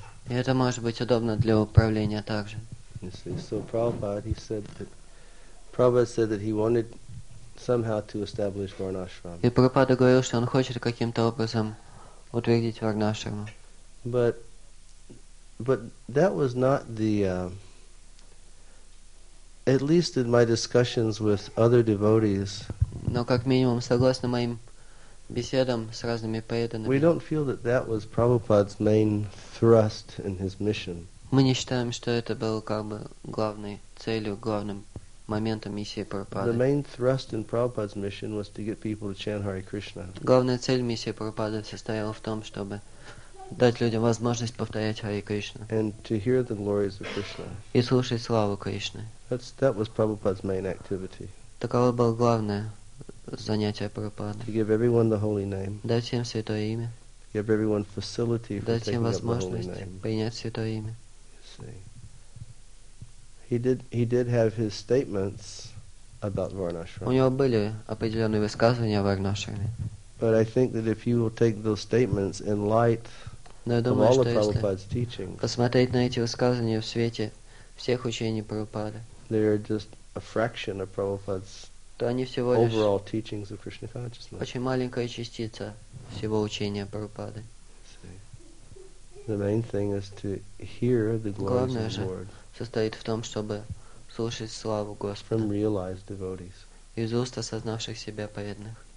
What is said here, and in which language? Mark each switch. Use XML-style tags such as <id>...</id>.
<ru>И это может быть удобно для управления также.</ru> <en>So Prabhupada, he said that he wanted somehow to establish Varnashram.</en> <ru>И Прабхупада говорил, что он хочет каким-то образом утвердить Варнашрама.</ru> <en>But that was not the at least in my discussions with other devotees.</en> <ru>Но как минимум, согласно моим беседам с разными преданными.</ru> <en>We don't feel that was Prabhupada's main thrust in his mission.</en> <ru>Мы не считаем, что это было как бы главной целью, главным моментом миссии Прабхупады.</ru> <en>The main thrust in Prabhupada's mission was to get people to chant Hare Krishna.</en> <ru>Главная цель миссии Прабхупады состояла в том, чтобы дать людям возможность повторять Hare Krishna.</ru> <en>And to hear the glories of Krishna.</en> <ru>И слушать славу Кришны.</ru> <en>That was Prabhupada's main activity.</en> <ru>Такова была главная занятия Прабхупады.</ru> <en>To give everyone the holy name.</en> <ru>Дать всем святое имя.</ru> <en>Give everyone facility for taking up the holy name.</en> <ru>Дать всем возможность принять святое имя.</ru> <en>He did have his statements about Varnashram.</en> <ru>У него были определенные высказывания о Варнашраме.</ru> <en>But I think that if you will take those statements in light of all of Prabhupada's teachings,</en> <ru>посмотреть на эти высказывания в свете всех учений Прабхупады,</ru> <en>they are just a fraction of Prabhupada's overall teachings of Krishna consciousness.</en> <ru>Очень маленькая частица всего учения Прабхупады.</ru> <en>The main thing is to hear the glories of the Lord.</en> <ru>Состоит в том, чтобы слушать славу Господа.</ru> <en>From realized devotees.</en> <ru>Из уст осознавших себя преданных.</ru>